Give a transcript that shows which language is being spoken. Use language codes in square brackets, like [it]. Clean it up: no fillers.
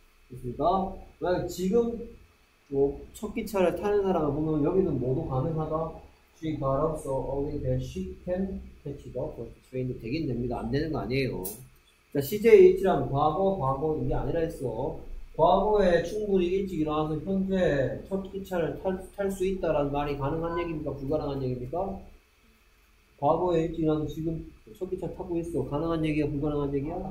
[ko] 그러니까 만약 지금 뭐첫 기차를 타는 사람을 보면 여기는 모두 가능하다. [en] She got up so early that she can catch the first train도 되긴 됩니다. [ko] 안 되는 거 아니에요. 자, 시제의 일치란 과거 이게 아니라 했어. 과거에 충분히 일찍 일어나서 현재 첫 기차를 탈수 있다라는 말이 가능한 얘기입니까? 불가능한 얘기입니까? 과거에 일찍 일어나서 지금 첫 기차 타고 있어. 가능한 얘기야, 불가능한 얘기야?